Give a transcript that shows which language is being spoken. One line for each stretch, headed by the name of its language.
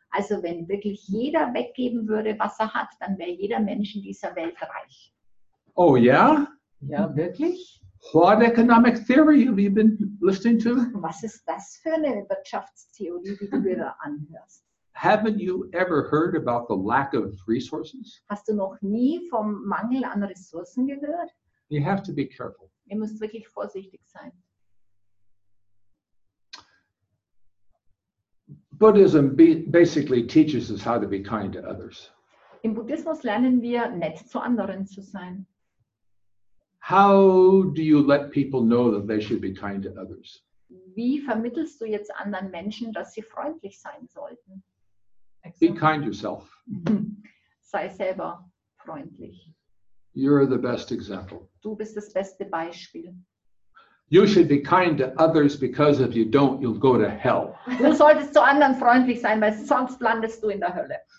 German: Also, wenn wirklich jeder weggeben würde, was er hat, dann wäre jeder Mensch in dieser Welt reich.
English: Oh yeah?
German: Ja, wirklich?
English: What economic theory have you been listening to?
German: Was ist das für eine Wirtschaftstheorie, die du da anhörst?
English: Haven't you ever heard about the lack of resources?
German: Hast du noch nie vom Mangel an Ressourcen gehört?
English: You have to be careful.
German: Ihr müsst wirklich vorsichtig sein.
English: Buddhism basically teaches us how to be kind to others.
German: Im Buddhismus lernen wir, nett zu anderen zu sein.
English: How do you let people know that they should be kind to others?
German: Wie vermittelst du jetzt anderen Menschen, dass sie freundlich sein sollten?
English: Be kind yourself.
German: Sei selber freundlich.
English: You're the best example.
German: Du bist das beste Beispiel.
English: You should be kind to others because if you don't, you'll go to hell.
German: Du solltest zu anderen freundlich sein, weil sonst landest du in der Hölle.